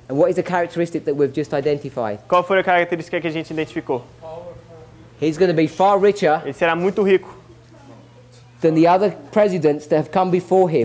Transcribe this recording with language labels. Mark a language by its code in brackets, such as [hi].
[en] And what is the characteristic that we've just identified? [pt] Qual foi a característica que a gente identificou? [en] He's going to be far richer. [pt] Ele será muito rico. [en] Than the other presidents that have come before him.